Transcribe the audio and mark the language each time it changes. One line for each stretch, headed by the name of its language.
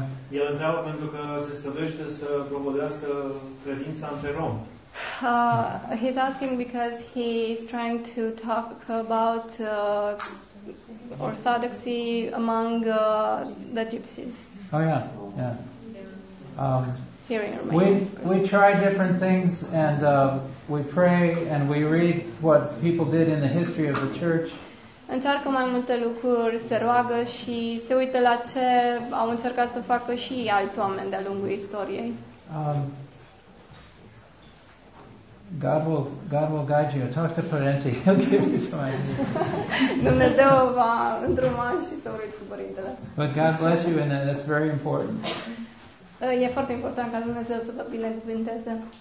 Romanian: El întreabă pentru că se stăduiește să promovească credința între romi.
English: He's asking because he's trying to talk about orthodoxy among the gypsies. Oh yeah, yeah. Hearing we try different things, and we pray and we read what people did in the history of the church.
Romanian: Încearcă mai multe lucruri, se roagă și se uită la ce au încercat să facă și alți oameni de-a lungul istoriei.
English: God will guide you. Talk to Parenti. He'll give you some ideas.
Romanian: Dumnezeu va îndruma și să uiți cu părintele.
English: But God bless you, and that's very important.
Romanian: E foarte important ca Dumnezeu să vă binecuvânteze.